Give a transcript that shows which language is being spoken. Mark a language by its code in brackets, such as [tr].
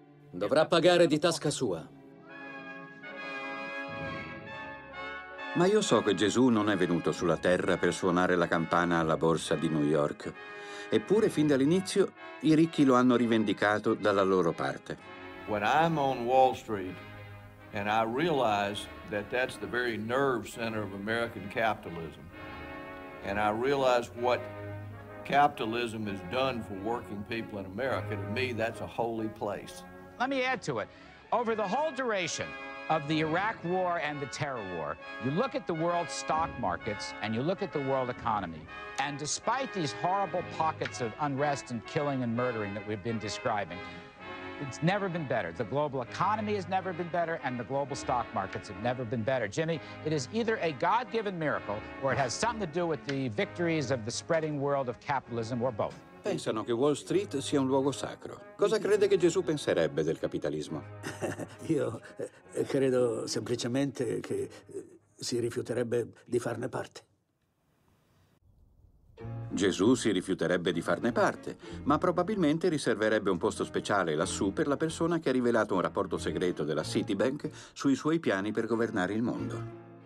[it] Dovrà pagare di tasca sua. Ma io so che Gesù non è venuto sulla terra per suonare la campana alla borsa di New York. Eppure, fin dall'inizio, i ricchi lo hanno rivendicato dalla loro parte. [en] When I'm on Wall Street and I realize that that's the very nerve center of American capitalism, and I realize what capitalism has done for working people in America, to me that's a holy place. Let me add to it. Over the whole duration of the Iraq war and the terror war, you look at the world stock markets and you look at the world economy, and despite these horrible pockets of unrest and killing and murdering that we've been describing, it's never been better. The global economy has never been better, and the global stock markets have never been better. Jimmy, it is either a God-given miracle or it has something to do with the victories of the spreading world of capitalism, or both. [it] Pensano che Wall Street sia un luogo sacro. Cosa crede che Gesù penserebbe del capitalismo? Io credo semplicemente che si rifiuterebbe di farne parte. Gesù si rifiuterebbe di farne parte, ma probabilmente riserverebbe un posto speciale lassù per la persona che ha rivelato un rapporto segreto della Citibank sui suoi piani per governare il mondo.